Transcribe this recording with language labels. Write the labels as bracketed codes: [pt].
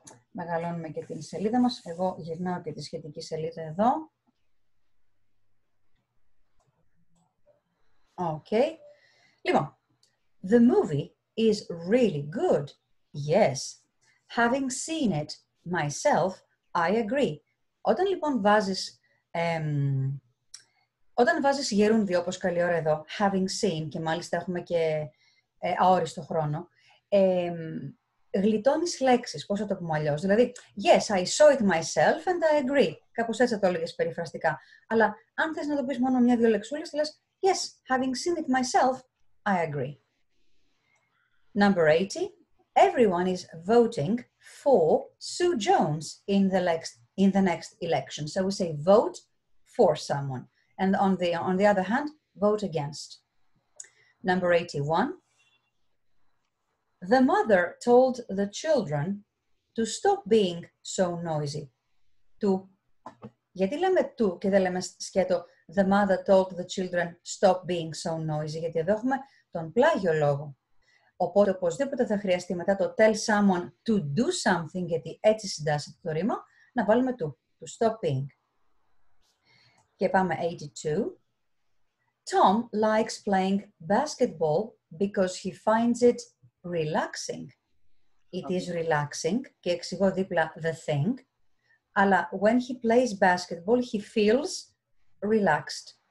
[el] Μεγαλώνουμε και την σελίδα μας. Εγώ γυρνάω και τη σχετική σελίδα εδώ. [en] Okay. Λοιπόν, the movie is really good. Yes. Having seen it myself, I agree. [el] Όταν λοιπόν βάζεις, όταν βάζεις γερούνδιο, όπως καλή ώρα εδώ, [en] having seen, [el] και μάλιστα έχουμε και αόριστο χρόνο, γλιτώνεις λέξεις, πώς θα το πούμε αλλιώς. [en] Δηλαδή, yes, I saw it myself and I agree. [el] Κάπως έτσι θα το έλεγες περιφραστικά. Αλλά αν θες να το πεις μόνο μια-δυο λεξούλες, λες, [en] yes, having seen it myself, I agree. Number 80. Everyone is voting for Sue Jones in the next election. So we say vote for someone. And on the other hand, vote against. Number 81. The mother told the children to stop being so noisy. To. [el] Γιατί λέμε to και δεν λέμε σκέτο. [en] The mother told the children stop being so noisy. [el] Γιατί εδώ έχουμε τον πλάγιο λόγο. Οπότε οπωσδήποτε θα χρειαστεί μετά το [en] tell someone to do something, [el] γιατί έτσι συντάσσεται το ρήμα, να βάλουμε [en] to stop being. [el] Και πάμε 82. [en] Tom likes playing basketball because he finds it relaxing. It is relaxing, [el] και εξηγώ δίπλα [en] the thing. Αλλά when he plays basketball, he feels relaxed.